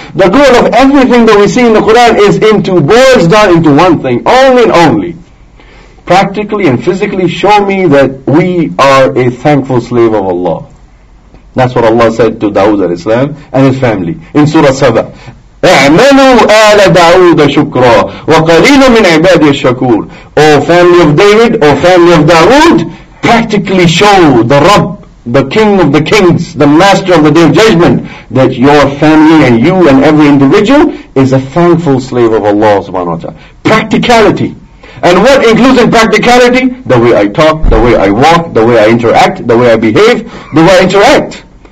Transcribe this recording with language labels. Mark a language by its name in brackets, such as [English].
[English] The goal of everything that we see in the Quran is into boils down into one thing. Only and only. Practically and physically show me that we are a thankful slave of Allah. That's what Allah said to Dawud al-Islam and his family in Surah Saba. [Arabic] اعملوا آل داود شكرا وقليل من عبادي الشكور. [English] O family of David, O family of Dawood, practically show the Rabb, the King of the Kings, the Master of the Day of Judgment, that your family and you and every individual is a thankful slave of Allah subhanahu wa ta'ala. Practicality. And what includes in practicality? The way I talk, the way I walk, the way I interact, the way I behave, the way I interact.